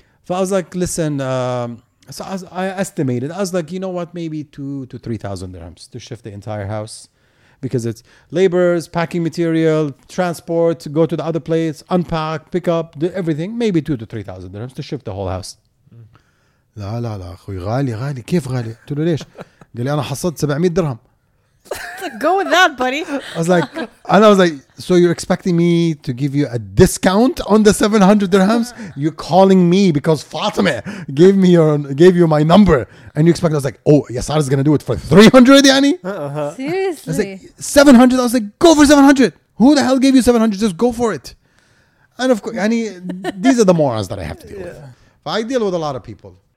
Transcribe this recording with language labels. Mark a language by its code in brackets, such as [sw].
[en] So I was like, listen, I estimated. I was like, you know what? Maybe 2,000 to 3,000 dirhams to shift the entire house, because it's laborers, packing material, transport, go to the other place, unpack, pick up, do everything. Maybe 2,000 to 3,000 dirhams to shift the whole house. [ar] لا لا لا أخوي غالي غالي كيف غالي قلت له ليش قال لي أنا حصلت 700 درهم [en] go with that buddy I was like so you're expecting me to give you a discount on the 700 dirhams you're calling me because Fatima gave you my number and you expect I was like oh Yasar is gonna do it for 300 yani seriously I was like 700 I was like go for 700 who the hell gave you 700 just go for it and of course yani these are the morons that I have to deal with but I deal with a lot of people.